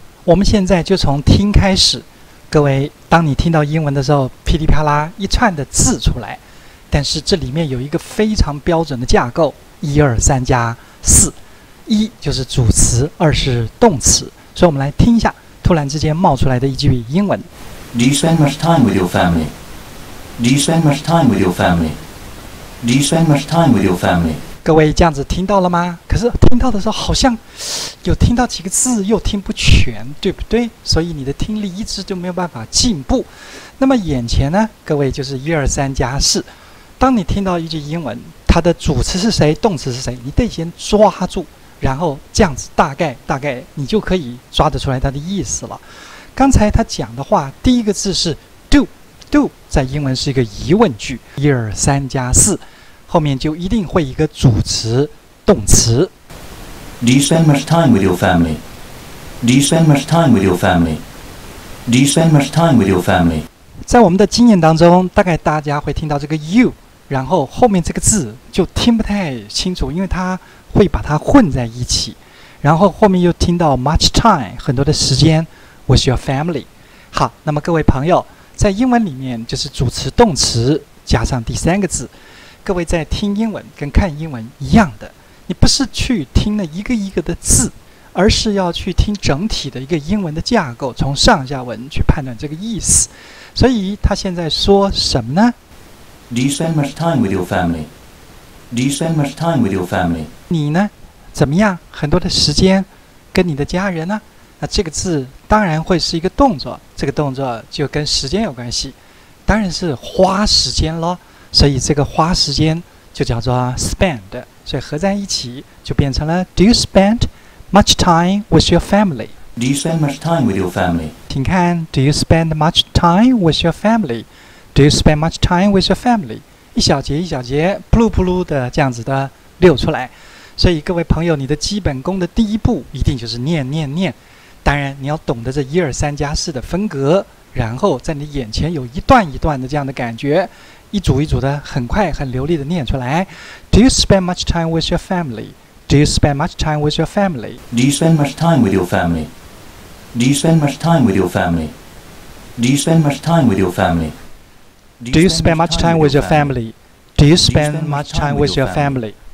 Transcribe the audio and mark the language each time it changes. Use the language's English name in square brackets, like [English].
[Chinese] 我们现在就从听开始，各位，当你听到英文的时候，噼里啪啦一串的字出来，但是这里面有一个非常标准的架构，一二三加四，一就是主词，二是动词。所以我们来听一下突然之间冒出来的一句英文。 [English] Do you spend much time with your family? Do you spend much time with your family? Do you spend much time with your family? [Chinese] 各位这样子听到了吗？可是听到的时候好像有听到几个字又听不全，对不对？所以你的听力一直就没有办法进步。那么眼前呢，各位，就是一二三加四，当你听到一句英文，它的主词是谁，动词是谁，你得先抓住，然后这样子大概你就可以抓得出来它的意思了。刚才他讲的话第一个字是 do， 在英文是一个疑问句，一二三加四后面就一定会一个主词动词。 [English] Do you spend much time with your family? Do you spend much time with your family? Do you spend much time with your family? [Chinese] 在我们的经验当中，大概大家会听到这个 you， 然后后面这个字就听不太清楚，因为它会把它混在一起，然后后面又听到 [English] much time， [Chinese] 很多的时间 [English] with your family。 [Chinese] 好，那么各位朋友，在英文里面就是主词动词加上第三个字，各位在听英文跟看英文一样的，你不是去听了一个一个的字，而是要去听整体的一个英文的架构，从上下文去判断这个意思。所以他现在说什么呢？ [English] Do you spend much time with your family? Do you spend much time with your family? [Chinese] 你呢怎么样，很多的时间跟你的家人呢？那这个字当然会是一个动作，这个动作就跟时间有关系，当然是花时间咯，所以这个花时间就叫做 spend， 所以合在一起就变成了 [English] Do you spend much time with your family? Do you spend much time with your family? [Chinese] 请看 [English] Do you spend much time with your family? Do you spend much time with your family? [Chinese] 一小节一小节噗噜噗噜的这样子的溜出来。所以各位朋友，你的基本功的第一步一定就是念念念，当然你要懂得这一二三加四的分隔，然后在你眼前有一段一段的这样的感觉，一组一组的很快很流利的念出来。 [English] Do you spend much time with your family? Do you spend much time with your family? Do you spend much time with your family? Do you spend much time with your family? Do you spend much time with your family? Do you spend much time with your family? Do you spend much time with your family?